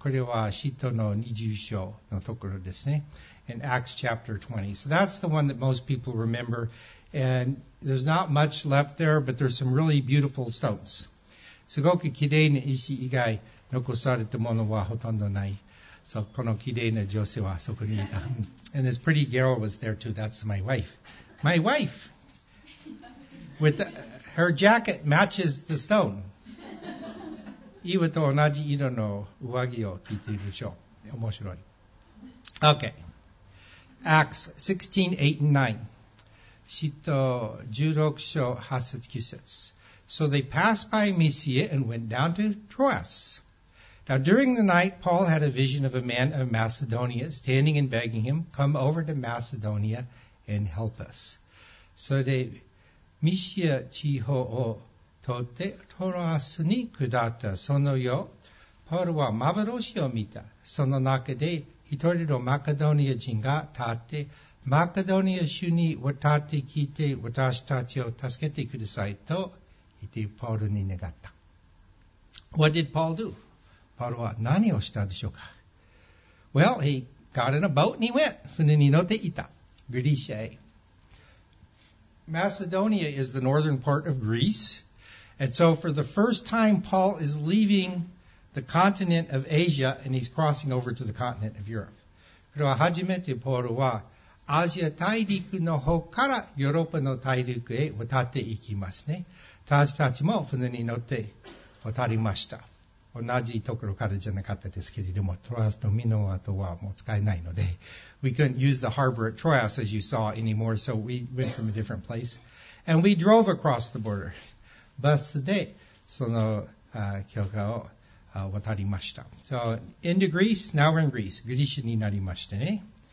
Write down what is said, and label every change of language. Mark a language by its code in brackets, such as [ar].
[ja] これは使徒の20章のところですね。 [en] In Acts chapter 20. So that's the one that most people remember. And there's not much left there, but there's some really beautiful stones. [ja] すごくきれいな石以外残されたものはほとんどない。 So このきれいな女性はそこにいた。 [en] And this pretty girl was there too. That's my wife. My wife! With the, her jacket matches the stone. [ja] Iwa to onaji iro no uwagi o kiite iru sho. Omoshiroi. [en] Okay. Acts 16:8-9. Shito 16:8-9 says, So they passed by Mysia and went down to Troas. Now during the night, Paul had a vision of a man of Macedonia standing and begging him, Come over to Macedonia and help us. So they... [ja] ミシア地方を通ってトロアスに下ったその夜、パウロは幻を見た。その中で一人のマカドニア人が立って、マカドニア州に渡ってきて私たちを助けてくださいと言ってパウロに願った。 [en] What did Paul do? [ja] パウロは何をしたでしょうか? [en] Well, he got in a boat and he went. [ja] 船に乗っていた。ギリシアへ。 [en] Macedonia is the northern part of Greece. And so for the first time, Paul is leaving the continent of Asia and he's crossing over to the continent of Europe. [ja] これは初めてポールはアジア大陸の方からヨーロッパの大陸へ渡っていきますね。私たちも船に乗って渡りました。同じところからじゃなかったですけれども、トロアスとミノアとはもう使えないので。 [en] We couldn't use the harbor at Troas, as you saw, anymore, so we went from a different place. And we drove across the border. [ja] バスでその教科を渡りました。 [en] So, into Greece, now we're in Greece. [ja] グリシアになりましたね。